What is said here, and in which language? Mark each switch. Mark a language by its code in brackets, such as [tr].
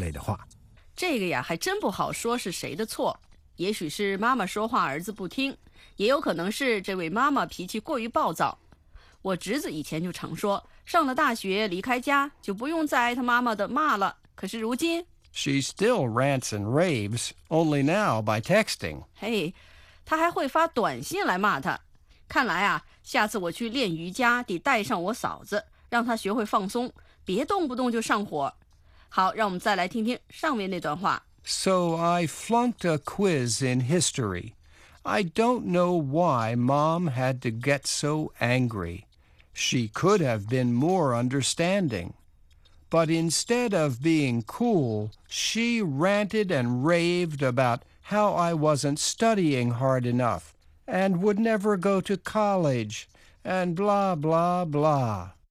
[zh] 我只不过是历史小测验不及格，真不明白妈妈干嘛那么生气。她本来应该表示理解，冷静一点，可是她却没完没了地骂我，说什么我学习不够努力，肯定上不了大学之类的话。这个呀，还真不好说是谁的错。也许是妈妈说话儿子不听，也有可能是这位妈妈脾气过于暴躁。我侄子以前就常说，上了大学离开家就不用再挨他妈妈的骂了。可是如今 [en] She still rants and raves, only now by texting. [zh] 嘿，她还会发短信来骂他。看来啊，下次我去练瑜伽得带上我嫂子，让她学会放松，别动不动就上火。好，让我们再来听听上面那段话。 [en] So I flunked a quiz in history. I don't know why Mom had to get so angry. She could have been more understanding. But instead of being cool, she ranted and raved about how I wasn't studying hard enough and would never go to college and blah, blah, blah.